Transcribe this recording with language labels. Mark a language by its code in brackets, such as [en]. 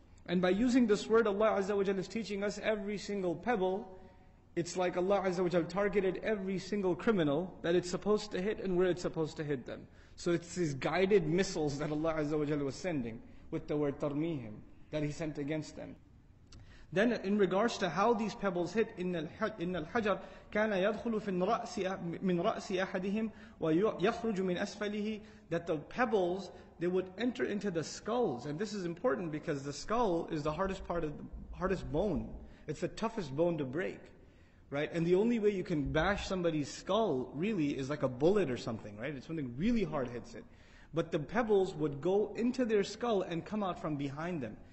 [en] And by using this word, Allah Azza wa Jalla is teaching us every single pebble, it's like Allah Azza wa Jalla targeted every single criminal that it's supposed to hit and where it's supposed to hit them. So it's these guided missiles that Allah Azza wa Jalla was sending with the word tarmihim that He sent against them. Then in regards to how these pebbles hit, [ar] إِنَّ الْحَجَرْ كَانَ يَدْخُلُ مِنْ رَأْسِ أَحَدِهِمْ وَيَخْرُجُ مِنْ أَسْفَلِهِ. [en] That the pebbles, they would enter into the skulls. And this is important because the skull is the hardest bone. It's the toughest bone to break, right? And the only way you can bash somebody's skull really is like a bullet or something, right? It's something really hard hits it. But the pebbles would go into their skull and come out from behind them.